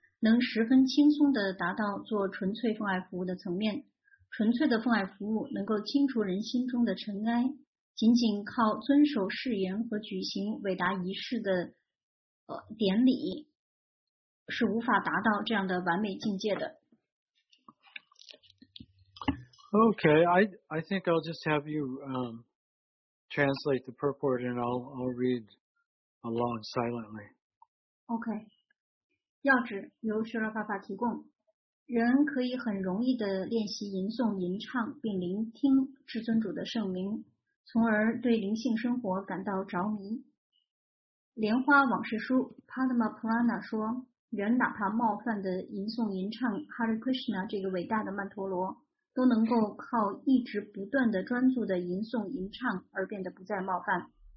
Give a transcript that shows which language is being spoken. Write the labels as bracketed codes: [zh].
[zh] 能十分轻松地达到做纯粹奉爱服务的层面。纯粹的奉爱服务能够清除人心中的尘埃。仅仅靠遵守誓言和举行伟大仪式的典礼是无法达到这样的完美境界的。 [en] Okay, I think I'll just have you translate the purport and I'll read along silently. Okay. [zh] 要旨由薛拉法法提供。人可以很容易地练习吟诵吟唱并聆听至尊主的圣名，从而对灵性生活感到着迷。莲花往事书 Padma Purana 说，人哪怕冒犯地吟诵吟唱 Hare Krishna 这个伟大的曼陀罗，都能够靠一直不断地专注地吟诵吟唱而变得不再冒犯。